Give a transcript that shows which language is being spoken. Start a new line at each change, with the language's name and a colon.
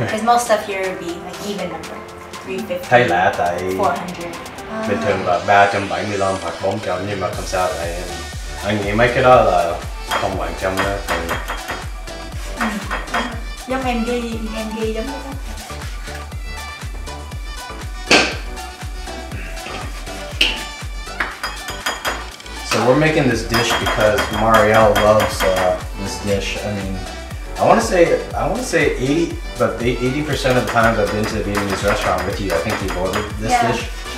English: Because most stuff here would be like even number. 350, 400.
Vietnamese: Bình thường là 375 hoặc 400, nhưng mà không sao lại... Anh nghĩ mấy cái đó là không quan trọng đó. Thì... Giống em ghi giống.
English: So we're making this dish because Marielle loves this dish. I mean, I want to say 80, but 80% of the times I've been to the Vietnamese restaurant with you, I think you've ordered this dish.